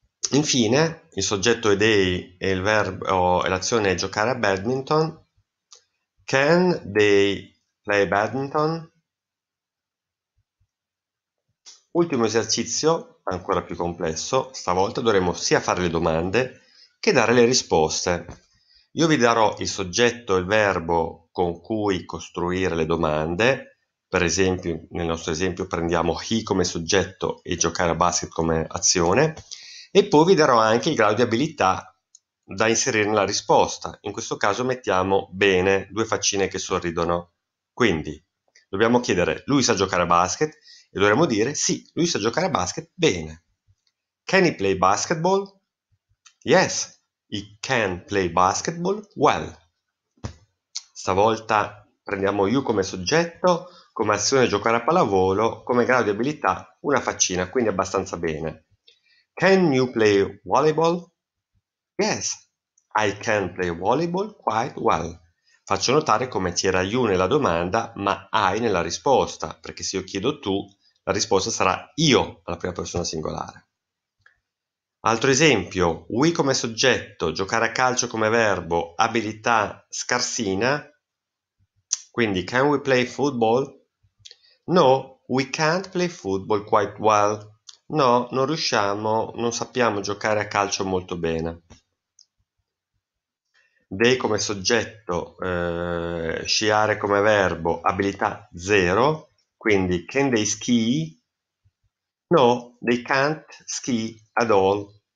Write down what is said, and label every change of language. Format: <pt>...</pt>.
<it>Infine, il soggetto è they e l'azione è giocare a badminton.</it> <en>Can they play badminton?</en> <it>Ultimo esercizio, ancora più complesso, stavolta dovremo sia fare le domande che dare le risposte. Io vi darò il soggetto e il verbo con cui costruire le domande. Per esempio, nel nostro esempio prendiamo he come soggetto e giocare a basket come azione. E poi vi darò anche il grado di abilità da inserire nella risposta. In questo caso mettiamo bene due faccine che sorridono. Quindi dobbiamo chiedere: lui sa giocare a basket? E dovremmo dire: sì, lui sa giocare a basket bene.</it> <en>Can he play basketball? Yes, he can play basketball well.</en> <it>Stavolta prendiamo you come soggetto, come azione giocare a pallavolo, come grado di abilità una faccina, quindi abbastanza bene.</it> <en>Can you play volleyball? Yes, I can play volleyball quite well.</en> <it>Faccio notare come c'era you nella domanda, ma I nella risposta, perché se io chiedo tu, la risposta sarà io alla prima persona singolare. Altro esempio, we come soggetto, giocare a calcio come verbo, abilità scarsina.</it> <en>Quindi, can we play football? No, we can't play football quite well.</en> <it>No, non riusciamo, non sappiamo giocare a calcio molto bene. They come soggetto, sciare come verbo, abilità zero.</it> <en>Quindi, can they ski? No, they can't ski at all.</en>